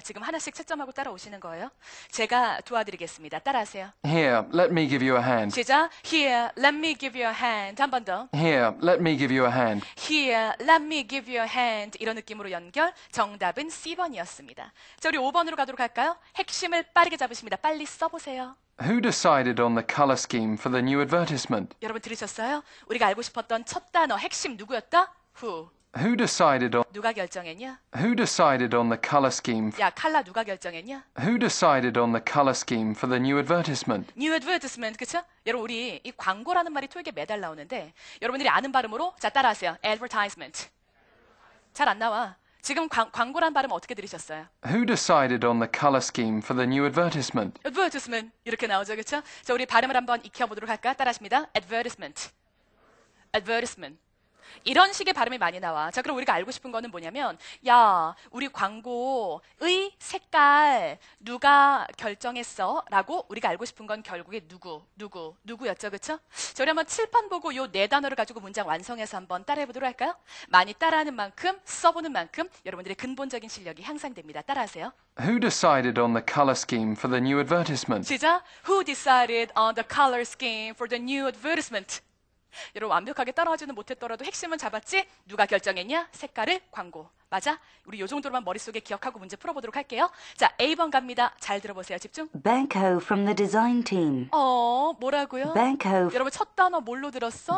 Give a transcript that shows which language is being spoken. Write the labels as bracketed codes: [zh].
[ko] 지금 하나씩 채점하고 따라오시는 거예요. 제가 도와드리겠습니다. 따라하세요. [en] Here, let me give you a hand. [ko] 시작. [en] Here, let me give you a hand. [ko] 한 번 더. [en] Here, let me give you a hand. Here, let me give you a hand. [ko] 이런 느낌으로 연결. 정답은 C번이었습니다. 자, 우리 5번으로 가도록 할까요? 핵심을 빠르게 잡으십니다. 빨리 써보세요. [en] Who decided on the color scheme for the new advertisement? [ko] 여러분 들으셨어요? 우리가 알고 싶었던 첫 단어 핵심 누구였다? [en] Who? Who decided on? [ko] 누가 결정했냐? [en] Who decided on the color scheme? [ko] 야, 칼라 누가 결정했냐? [en] Who decided on the color scheme for the new advertisement? New advertisement, [ko] 그쵸? 여러분 우리 이 광고라는 말이 토익에 매달 나오는데 여러분들이 아는 발음으로 자 따라하세요. Advertisement. 잘 안 나와. 지금 광고란 발음 어떻게 들으셨어요? [en] Who decided on the color scheme for the new advertisement? [ko] Advertisement 이렇게 나오죠, 그렇죠? 자, 우리 발음을 한번 익혀보도록 할까? 따라하십니다. [en] Advertisement. Advertisement. [ko] 이런 식의 발음이 많이 나와. 자, 그럼 우리가 알고 싶은 거는 뭐냐면 야, 우리 광고의 색깔 누가 결정했어? 라고 우리가 알고 싶은 건 결국에 누구였죠, 그렇죠? 자, 우리 한번 칠판 보고 요 네 단어를 가지고 문장 완성해서 한번 따라해보도록 할까요? 많이 따라하는 만큼, 써보는 만큼 여러분들의 근본적인 실력이 향상됩니다. 따라하세요. Who decided on the color scheme for the new advertisement? 시작! Who decided on the color scheme for the new advertisement? 여러분 완벽하게 따라하지는 못했더라도 핵심은 잡았지? 누가 결정했냐? 색깔을 광고. 맞아? 우리 요 정도로만 머릿속에 기억하고 문제 풀어보도록 할게요. 자, A번 갑니다. 잘 들어보세요. 집중. [en] Banco from the design team. [ko] 뭐라고요? [en] Banco. [ko] 여러분 첫 단어 뭘로 들었어?